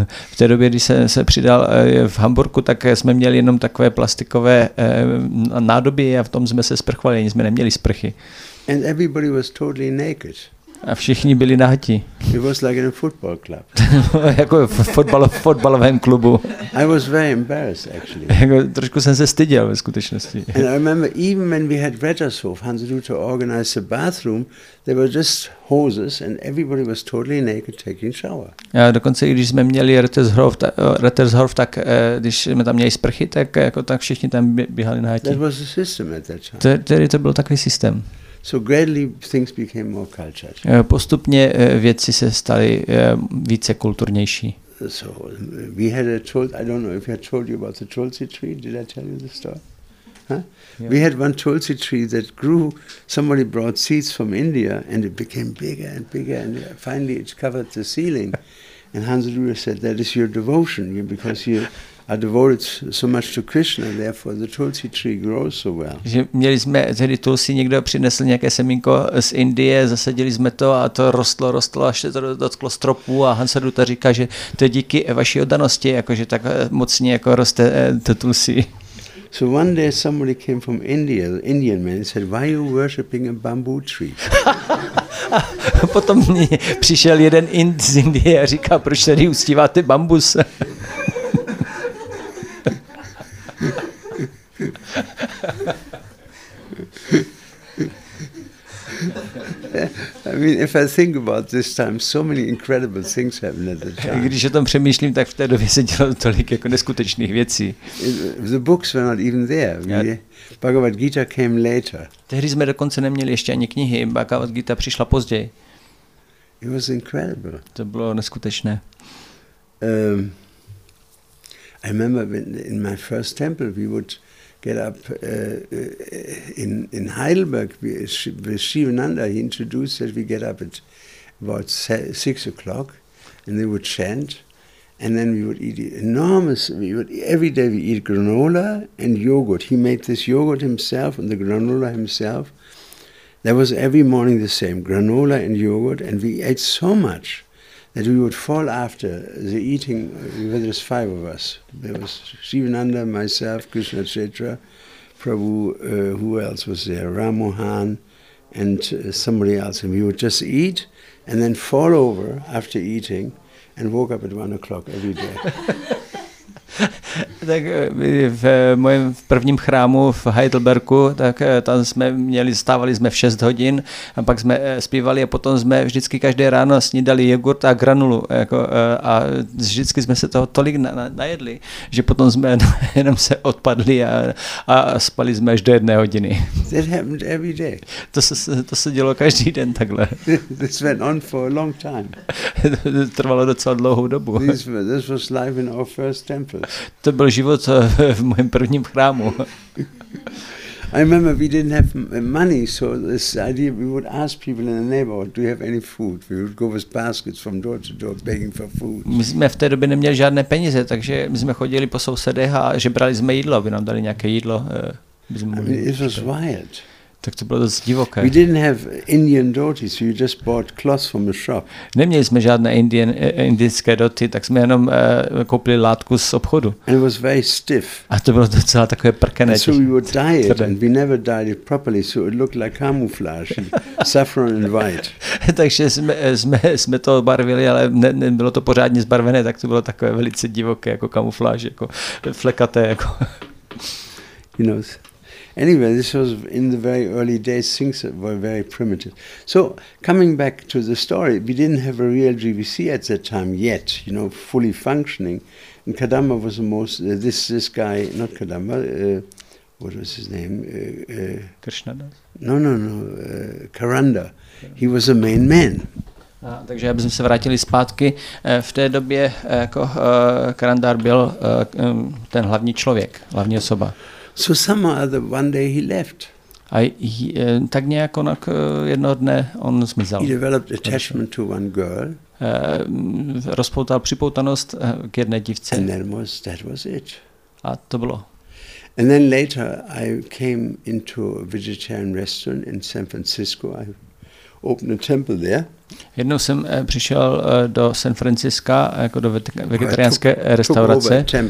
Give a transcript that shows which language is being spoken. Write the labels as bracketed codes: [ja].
[cs] V té době, když jsem se přidal v Hamburku, tak jsme měli jenom takové plastikové nádoby a v tom jsme se sprchovali, ani jsme neměli sprchy. [en] And everybody was totally naked. [cs] A všichni byli nahatí. [en] It was like in a football club. [cs] Jako fotbalovém klubu. [en] I was very embarrassed actually. [cs] Jako trošku jsem se styděl ve skutečnosti. [en] And I remember even when we had Rettershof, Hans Luther organized a bathroom, there were just hoses and everybody was totally naked taking shower. [cs] Já dokonce i když jsme měli Rettershof, tak když jsme tam měli sprchy, tak jako tak všichni tam běhali nahatí. [en] That was the system at that time. [cs] Tedy to byl takový systém. [en] So gradually things became more cultured. [cs] Postupně věci se staly více kulturnější. [en] So we had a tulsi, I don't know if I told you about the tulsi tree. Did I tell you the story? Huh? Yeah. We had one tulsi tree that grew. Somebody brought seeds from India, and it became bigger and bigger, and finally it covered the ceiling. And Hans Luther said, "That is your devotion, because you." I devoted so much to Krishna, therefore the tulsi tree grows so well. [cs] Že měli jsme tehdy tulsi, někdo přinesl nějaké semínko z Indie, zasadili jsme to a to rostlo, rostlo, až se to dotklo stropu a Hans Luther říká, že to je díky vaší oddanosti, jakože tak mocně jako roste to tulsi. [en] So one day somebody came from India, the Indian man, and said, "Why are you worshipping a bamboo tree?" [cs] Potom přišel jeden Ind z Indie a říká, proč tady uctíváte bambus? [en] I mean, if I think about this time, so many incredible things happened at the time. [cs] Když o tom přemýšlím, tak v té době se dělalo tolik jako neskutečných věcí. [en] The books were not even there. Bhagavad Gita came later. [cs] Tehdy jsme dokonce neměli ještě ani knihy. Bhagavad Gita přišla později. [en] It was incredible. [cs] To bylo neskutečné. [en] I remember when in my first temple we would get up in Heidelberg with Shivananda. He introduced that we get up at about 6 o'clock, and they would chant, and then we would eat enormous. We would eat granola and yogurt. He made this yogurt himself and the granola himself. That was every morning the same granola and yogurt, and we ate so much that we would fall after the eating. There was 5 of us. There was Shivananda, myself, Krishna Chaitra, Prabhu, who else was there? Ram Mohan, and somebody else, and we would just eat and then fall over after eating and woke up at 1 o'clock every day. [cs] Tak v mém prvním chrámu v Heidelbergu, tak tam jsme měli, stávali jsme v 6 hodin a pak jsme zpívali a potom jsme vždycky každé ráno snídali jogurt a granulu jako, a vždycky jsme se toho tolik najedli, že potom jsme jenom se odpadli a spali jsme až do 1 hodiny. [en] That happened every day. [cs] To se dělo každý den takhle. [en] This went on for a long time. [cs] Trvalo docela dlouhou dobu. [en] This was life in our first temple. [cs] To byl život v mém prvním chrámu. [en] I remember we didn't have money, so this idea we would ask people in the neighborhood, do you have any food? We would go with baskets from door to door begging for food. [cs] My jsme v té době neměli žádné peníze, takže my jsme chodili po sousedech a žebrali jsme jídlo, aby nám dali nějaké jídlo. [en] It was wild. [cs] Tak to bylo dost divoké. [en] We didn't have Indian dhoti, so you just bought cloth from a shop. [cs] Neměli jsme žádné indické dhoti, tak jsme jenom koupili látku z obchodu. [en] And it was very stiff. [cs] A to bylo docela takové prkené. [en] So we would dye it, and we never dyed it properly, so it looked like camouflage, saffron and white. [cs] Takže jsme to barvili, ale nebylo to pořádně zbarvené, tak to bylo takové velice divoké, jako kamufláž, jako flekaté, jako. [en] You know. Anyway, this was in the very early days, things were very primitive. So, coming back to the story, we didn't have a real GVC at that time yet, you know, fully functioning. And Kadamba was the most, this guy, not Kadamba, what was his name? Krishnadas? No, Karanda. He was the main man. [cs] Takže abychom se vrátili zpátky, v té době jako Karandar byl ten hlavní člověk, hlavní osoba. [en] So somehow other one day he left. [cs] Tak nějak jednoho dne on zmizel. [en] He developed attachment to one girl. [cs] Rozpoutal připoutanost k jedné dívce. [en] And that was it. [cs] A to bylo. [en] And then later I came into a vegetarian restaurant in San Francisco. I opened a temple there. [cs] Jednou jsem přišel do San Francisca jako do vegetariánské restaurace.